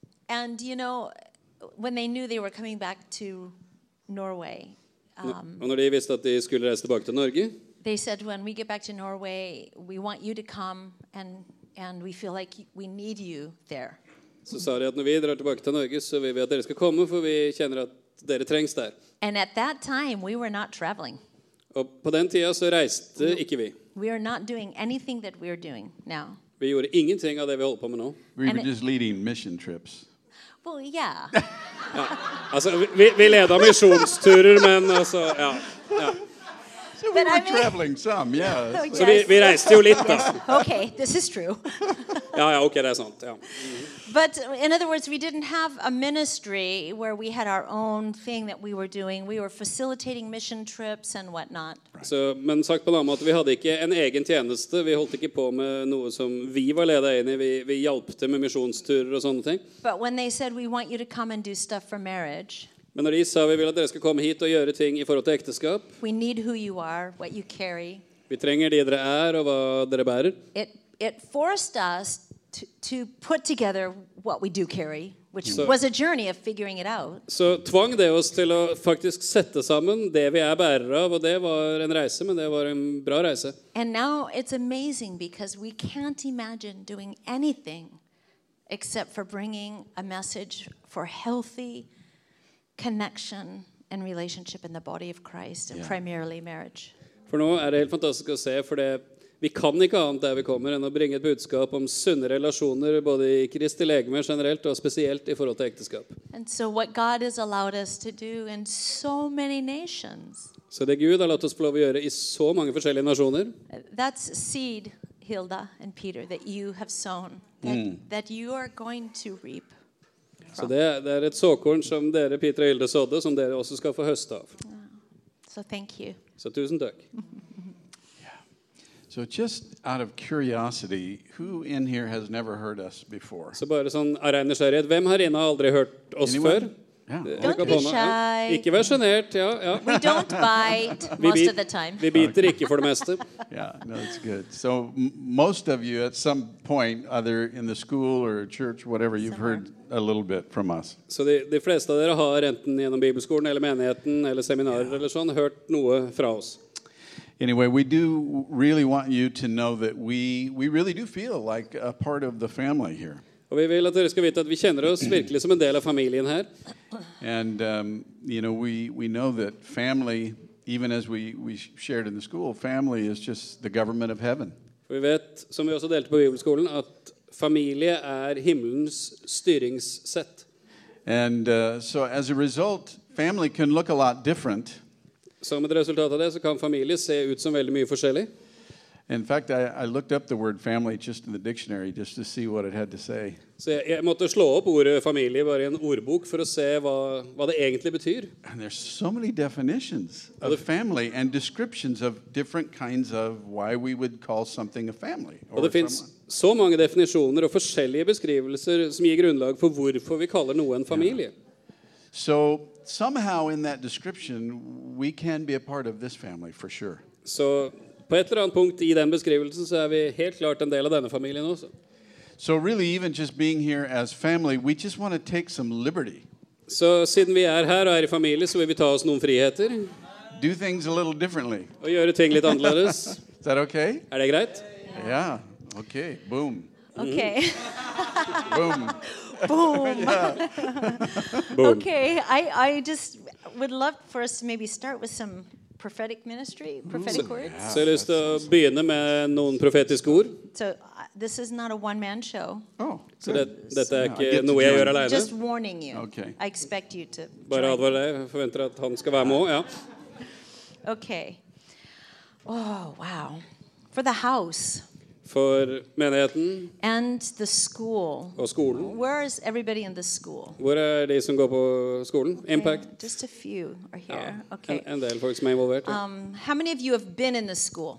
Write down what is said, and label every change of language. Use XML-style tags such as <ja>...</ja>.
<en>And you know, when they knew they were coming back to Norway.</en> <no>Og når de visste at de skulle reise tilbake til Norge.</no> <en>They said, when we get back to Norway, we want you to come, and we feel like we need you there.</en> <no>Så sa de at når vi drar tilbake til Norge, så vil vi at dere skal komme, for vi kjenner at dere trengs der.</no> <en>And at that time, we were not traveling.</en> <no>Og på den tiden så reiste ikke vi.</no> <en>We are not doing anything that we're doing now.</en> <no>Vi gjorde ingenting av det vi holder på med nå.</no> <en>We were just leading mission trips. Well, yeah.</en> <no>Ja, altså, vi leder misjonsturer, men altså, ja, ja.</no> <en>So we were traveling some, yeah.</en> <no>So vi reiste jo litt, da.</no> <en>Okay, this is true.</en> <no>Ja, ja, okay, det sant, ja. Mm-hmm.</no> <en>But in other words, we didn't have a ministry where we had our own thing that we were doing. We were facilitating mission trips and whatnot.</en> <no>Right. Så, men sagt på en annen måte, vi hadde ikke en egen tjeneste. Vi holdt ikke på med noe som vi var ledet inn I. Vi hjalp til med misjonsturer og sånne ting.</no> <en>But when they said, we want you to come and do stuff for marriage...</en> <no>Men når de sa vi vil at dere skal komme hit og gjøre ting I forhold til ekteskap.</no> <en>We need who you are, what you carry.</en> <no>Vi trenger de dere og hva dere bærer.</no> <en>It forced us to put together what we do carry, which was a journey of figuring it out.</en> <no>Så tvang det oss til å faktisk sette sammen det vi bærer av, og det var en reise, men det var en bra reise.</no> <en>And now it's amazing because we can't imagine doing anything except for bringing a message for healthy connection and relationship in the body of Christ and primarily marriage.</en> <no>For nå det helt fantastisk å se, for det vi kan ikke annet der vi kommer enn å bringe et budskap om sunne relasjoner både I Kristi legeme generelt og spesielt I forhold til ekteskap.</no> <en>And so what God has allowed us to do in so many nations.</en> <no>Så det Gud har latt oss få lov å gjøre I så mange forskjellige nasjoner.</no> <en>That's seed, Hilda and Peter, that you have sown, that you are going to reap.</en> <no>Så det et såkorn som dere, Peter og Hilde, sådde, som dere også skal få høste av.</no> <en>So thank you.</en> <no>Så tusen takk.</no> <en>Yeah. So just out of curiosity, who in here has never heard us before?</en> <no>Så bare sånn av ren nysgjerrighet, hvem her inne har aldri hørt oss før?</no> <en>Don't be shy. We don't bite most of the time.</en> <no>Vi biter ikke for det meste.</no> <en>Yeah, no, that's good. So most of you at some point, either in the school or church, whatever, you've heard a little bit from us.</en> <no>Så de fleste av dere har enten gjennom bibelskolen eller menigheten eller seminarer eller sånn hørt noe fra oss.</no> <en>Anyway, we do really want you to know that we really do feel like a part of the family here.</en> <no>Og vi vil at dere skal vite at vi kjenner oss virkelig som en del av familien her.</no> <en>And you know, we know that family, even as we shared in the school, family is just the government of heaven.</en> <no>Vi vet, som vi også delte på bibelskolen, at familie er himmelens styringssett.</no> <en>And so as a result, family can look a lot different.</en> <no>Som et resultat av det, så kan familie se ut som veldig mye forskjellig.</no> <en>In fact, I looked up the word family just in the dictionary just to see what it had to say.</en> <no>Så jeg måtte slå opp ordet familie bare I en ordbok for å se hva det egentlig betyr.</no> <en>And there's so many definitions of family and descriptions of different kinds of why we would call something a family.</en> <no>Og det finnes så mange definisjoner og forskjellige beskrivelser som gir grunnlag for hvorfor vi kaller noe en familie.</no> <en>So somehow in that description, we can be a part of this family for sure.</en> <no>Så på et eller annet punkt I den beskrivelsen så vi helt klart en del av denne familien også.</no> <en>So really even just being here as family, we just want to take some liberty.</en> <no>Så siden vi her og I familie, så vil vi ta oss noen friheter.</no> <en>Do things a little differently.</en> <no>Og gjøre ting litt annerledes.</no> <en>Is that okay?</en> <no>Det greit?</no> <en>Yeah. Okay. Boom. Okay. Boom. Boom. Boom. Okay. I just would love for us to maybe start with some prophetic ministry, prophetic words.</en> <no>Så jeg har lyst til å begynne med noen profetiske ord.</no> <en>So this is not a one-man show. Oh,</en> <no>so dette ikke noe jeg gjør alene.</no> <en>Just warning you. Okay. I expect you to.</en> <no>Bare advare deg. Jeg forventer at han skal være med. Ja.</no> <en>Okay. Oh wow. For the house.</en> <no>For menigheten.</no> <en>And the school.</en> <no>Og skolen.</no> <en>Where is everybody in the school?</en> <no>Hvor de som går på skolen?</no> <en>Okay. Impact. Just a few are here. Ja. Okay.</en> <no>En del folk som involvert.</no> <en>How many of you have been in the school?</en>